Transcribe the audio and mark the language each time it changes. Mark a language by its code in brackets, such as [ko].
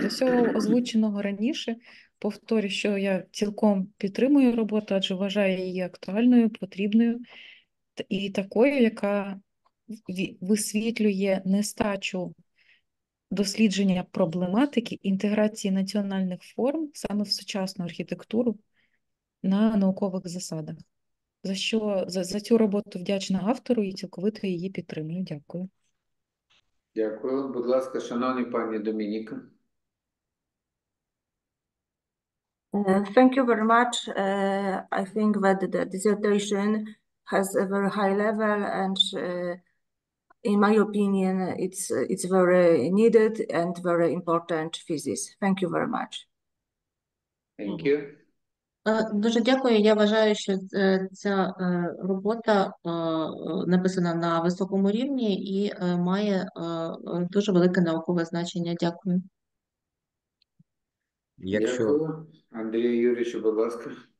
[uk] До всього озвученого раніше, повторю, що я цілком підтримую роботу, адже вважаю її актуальною, потрібною і такою, яка висвітлює нестачу дослідження проблематики інтеграції національних форм саме в сучасну архітектуру на наукових засадах. За що за цю роботу вдячна автору і цілковито її підтримую. Дякую. Дякую. Будь ласка, шановні пані Домініка. [en] Thank you very much. I think that the dissertation has a very high level and in my opinion it's very needed and very important thesis. Thank you very much. Thank you. [uk] Дуже дякую. Я вважаю, що ця робота написана на високому рівні і має дуже велике наукове значення. Дякую. Якщо... Дякую. Андрій Юрійович, будь ласка.